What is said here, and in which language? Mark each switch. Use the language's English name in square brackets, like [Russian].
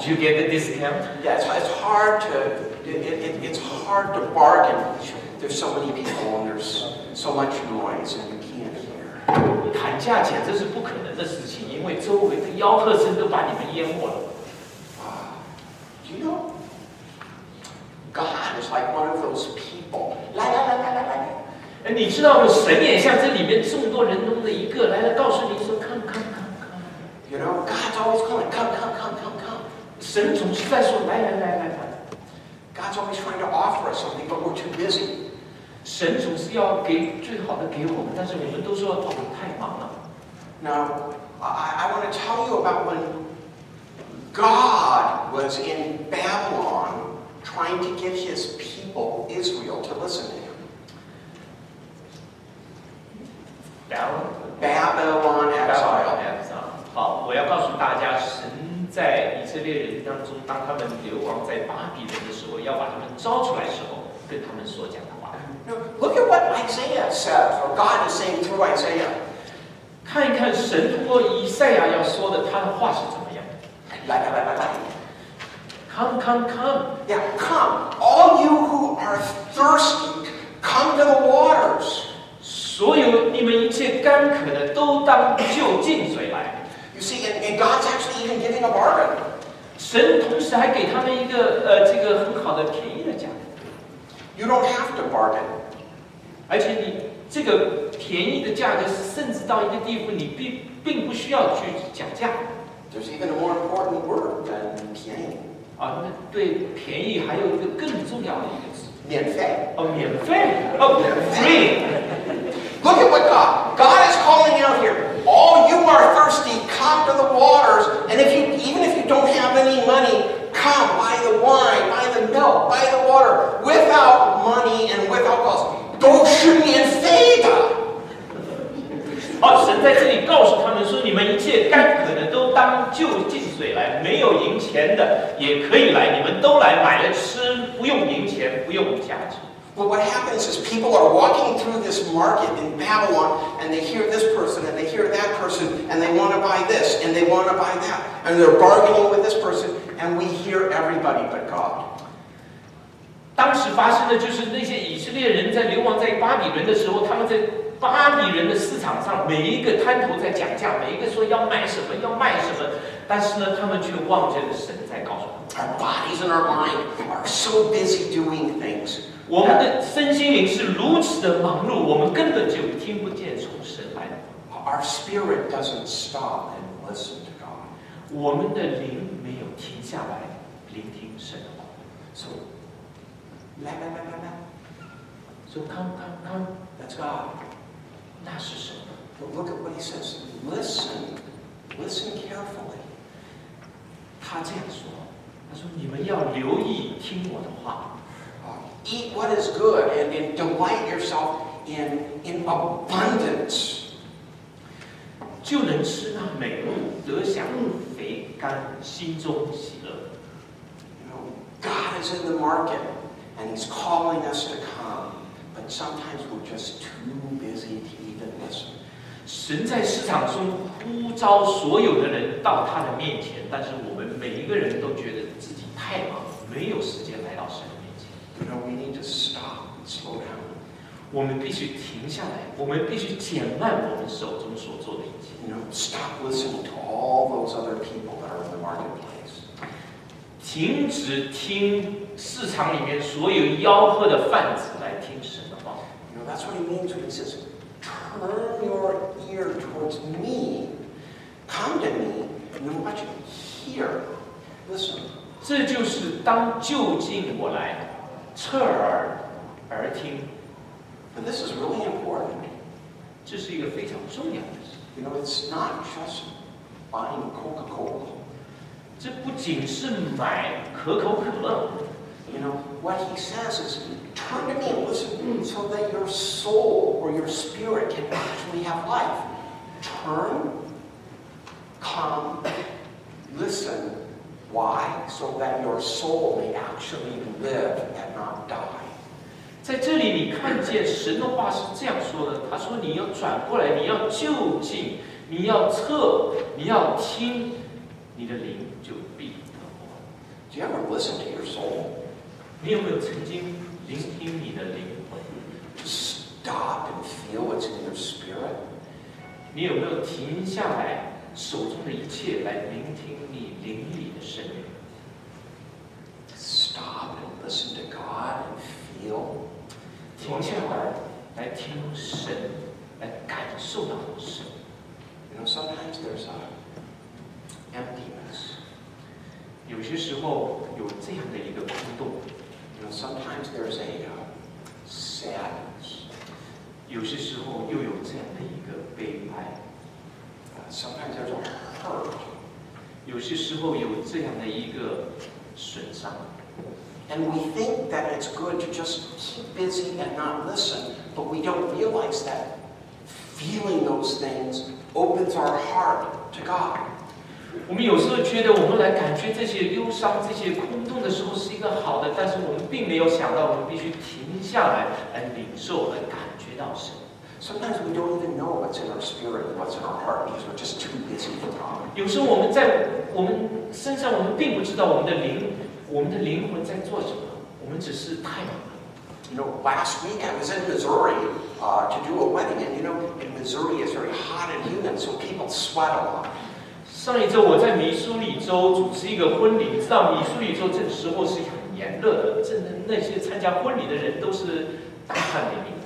[English] Did you get the discount? Yeah, so it's hard to, it's hard to bargain. There's so many people and there's so much noise and you can't hear. [Chinese] 谈价钱这是不可能的事情，因为周围的吆喝声都把你们淹没了。 [English] You know, God is like one of those people. [Chinese] 来来来来来来。你知道吗？神也像这里面众多人中的一个，来了，告诉你说 ， [English] come come come come。 You know, God's always calling, come come come come come。 [Chinese] 神总是在说，来来来来来。 [English] God's always trying to offer us something, but we're too busy。 [Chinese] 神总是要给最好的给我们，但是我们都说，哦，太忙了。 [English] Now, I want to tell you about when God was in Babylon trying to get His people Israel to listen to Him. Babylon exile. [Chinese] 好，我要告诉大家，神在以色列人当中，当他们流亡在巴比伦的时候，要把他们招出来的时候，跟他们所讲的话。 [English] Look at what Isaiah said, or God is saying through Isaiah. [Chinese] 看一看神通过以赛亚要说的，他的话是怎么样。来来来来来。 [English] Come, come, come. Yeah, come. All you who are thirsty, come to the waters. [Chinese] 所有你们一切干渴的都当就近水来。 [English] You see, and God's actually even giving a bargain. [Chinese] 神同时还给他们一个这个很好的便宜的价格。 [English] You don't have to bargain. [Chinese] 而且你这个便宜的价格甚至到一个地步你并不需要去讲价。 [English] There's even a more important word than 便宜。 [Chinese] 啊，那对便宜还有一个更重要的一个词。免费。哦，免费。哦 ，free。 [English] Look at what God is calling out here. All you are thirsty, come to the waters. And if you, even if you don't have any money, come buy the wine, buy the milk, buy the water without money and without cost. [Chinese] 都是免费的。哦，神在这里告诉他们说，你们一切干渴的都当就近水来，没有银钱的也可以来，你们都来买了吃，不用银钱，不用价值。 [English] But what happens is people are walking through this market in Babylon and they hear this person and they hear that person and they want to buy this and they want to buy that and they're bargaining with this person and we hear everybody but God. [Chinese] 当时发生的就是那些以色列人在流亡在巴比伦的时候他们在巴比伦的市场上每一个摊头在讲价每一个说要卖什么要卖什么但是呢他们却忘记了神在告诉他们 [English] Our bodies and our mind are so busy doing things. [Chinese] 我们的身心灵是如此的忙碌，我们根本就听不见从神来的。 [English] Our spirit doesn't stop and listen to God. [Chinese] 我们的灵没有停下来聆听神的话。 So, 来来来来来。 [English] So come, come, come. That's God. [Chinese] 那是神。 [English] But look at what he says. Listen, listen carefully. [Chinese] 他这样说，他说你们要留意听我的话。 [English] Eat what is good and delight yourself in abundance. [Chinese] 就能吃那美物，得享肥甘，心中喜乐。 [English] You know, God is in the market and He's calling us to come, but sometimes we're just too busy to even listen. [Chinese] 神在市场中呼召所有的人到他的面前，但是我们每一个人都觉得自己太忙，没有时间来到神。 [English] You know, we need to stop and slow down. [Chinese] 我们必须停下来，我们必须减慢我们手中所做的一切。 [English] You know, stop listening to all those other people that are in the marketplace. [Chinese] 停止听市场里面所有吆喝的贩子来听神的话。 [English] You know, that's what he means when he says, "Turn your ear towards me, come to me, and watch me hear." Listen. [Chinese] 这就是当就近我来。侧耳而听 [English] And this is really important. [Chinese] 这是一个非常重要的事 [English] You know, it's not just buying Coca-Cola. [Chinese] 这不仅是买可口可乐 [English] You know, what he says is turn to me and listen so that your soul or your spirit can actually have life. Turn, come, listen. Why? So that your soul may actually live and not die. [Chinese] 在这里，你看见神的话是这样说的。他说：“你要转过来，你要就近，你要侧，你要听，你的灵就必得活。” [English] Do you ever listen to your soul? [Chinese] 你有没有曾经聆听你的灵魂？ [English] Stop and feel what's in your spirit. [Chinese] 你有没有停下来，手中的一切来聆听你灵里的声音？ [English] Stop and listen to God and feel. [Chinese] 停下来，来听神，来感受到神。 [English] You know, sometimes there's a emptiness. [Chinese] 有些时候有这样的一个空洞。 [English] You know, sometimes there's a sadness. [Chinese] 有些时候又有这样的一个悲哀。 [English] Sometimes there's a hurt. [Chinese] 有些时候有这样的一个损伤。 [English] And we think that it's good to just keep busy and not listen, but we don't realize that feeling those things opens our heart to God. [Chinese] 我们有时候觉得我们来感觉这些忧伤、这些空洞的时候是一个好的，但是我们并没有想到我们必须停下来来领受、来感觉到神。 [English] Sometimes we don't even know what's in our spirit and what's in our heart because we're just too busy for God. [Chinese] 有时候我们在我们身上，我们并不知道我们的灵。我们的灵魂在做什么？我们只是太忙了。 [English] You know, last week I was in Missouri, to do a wedding, and you know, in Missouri it's very hot and humid, so people sweat a lot. [Chinese] 上一周我在密苏里州主持一个婚礼，你知道密苏里州这个时候是很炎热的，真的那些参加婚礼的人都是大汗淋漓。